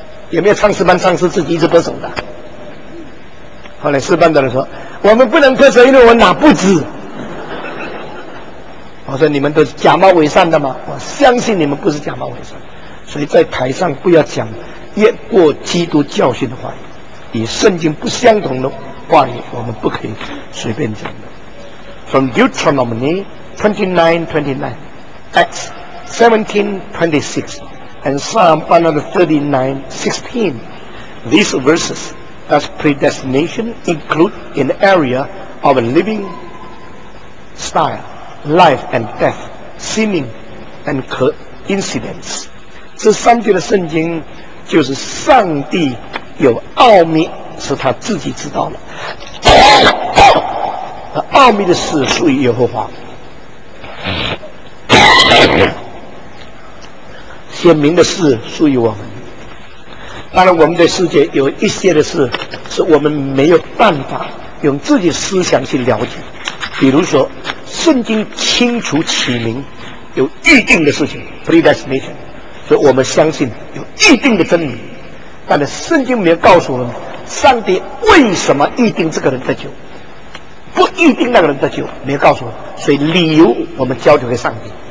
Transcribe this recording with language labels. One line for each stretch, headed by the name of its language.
Chinese: 有没有唱诗班唱诗自己一直拍手的？后来诗班的人说，我们不能拍手，因为我哪不知。我说你们都是假冒伪善的吗？我相信你们不是假冒伪善，所以在台上不要讲越过基督教训的话，与圣经不相同的话语我们不可以随便讲的。
English: From Deuteronomy 29:29, Acts 17:26 and Psalm 139:16, these verses, does predestination include in the area of a living style, life and death, seeming and coincidence?
Chinese: 这三句的圣经就是上帝有奥秘是他自己知道了，而奥秘的事属于耶和华。鲜明的事属于我们。当然我们的世界有一些的事是我们没有办法用自己思想去了解，比如说圣经清楚启明有预定的事情 predestination， 所以我们相信有预定的真理，但是圣经没有告诉我们上帝为什么预定这个人得救，不预定那个人得救，没有告诉我们，所以理由我们交给上帝。